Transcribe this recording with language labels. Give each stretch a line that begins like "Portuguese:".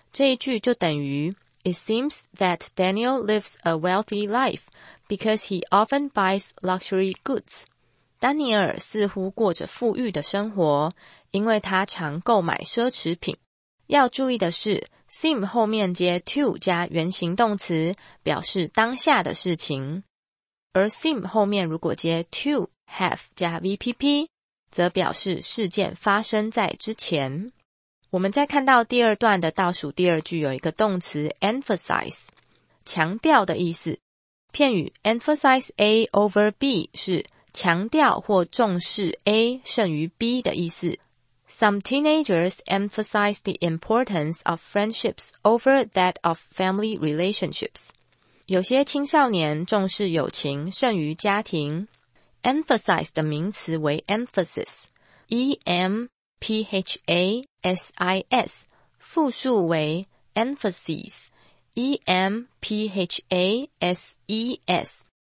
Chinese: 这一句就等于
English: it seems that Daniel lives a wealthy life because he often buys luxury goods。
Chinese: 丹尼尔似乎过着富裕的生活，因为他常购买奢侈品。要注意的是seem 后面接 to 加原形动词，表示当下的事情。而 seem 后面如果接 to have 加 VPP， 则表示事件发生在之前。我们再看到第二段的倒数第二句有一个动词 emphasize， 强调的意思。片语 emphasize A over B 是强调或重视 A 胜于 B 的意思。
English: Some teenagers emphasize the importance of friendships over that of family relationships.
Chinese: 有些青少年重视友情胜于家庭。 Emphasize 的名词为 emphasis, E-M-P-H-A-S-I-S, 复数为 emphases, E-M-P-H-A-S-E-S。